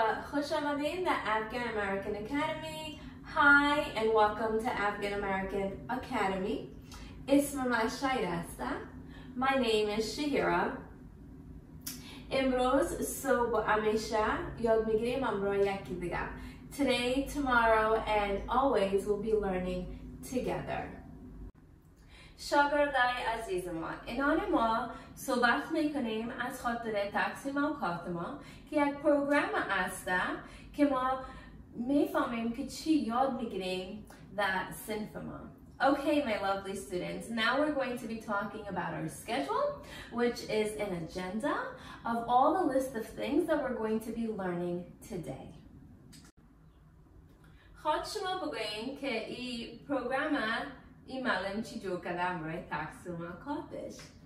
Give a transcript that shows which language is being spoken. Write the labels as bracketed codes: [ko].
[fa] خوش آمدین به افغان امریکن اکادمی. [en] Hi و welcome to Afghan American Academy. [fa] اسم من شهیر هستم. [en] My name is Shahira. [fa] امروز صبح همیشه یاد میگیریم امروز یکی دیگه. [en] Today, tomorrow, and always we'll be learning together. [fa] شاگردای عزیز ما، اینان ما صحبت میکنیم از خاطر تقسیم اوقات ما که یک پروگرام است که ما میفهمیم که چی یاد میگیریم در صنف ما. [en] Okay, my lovely students, now we're going to be talking about our schedule, which is an agenda of all the list of things that we're going to be learning today. [fa] خواهد شما بگوین که ای پروگراما ای معلم چی جو کدام روی تقسیم اوقاتش.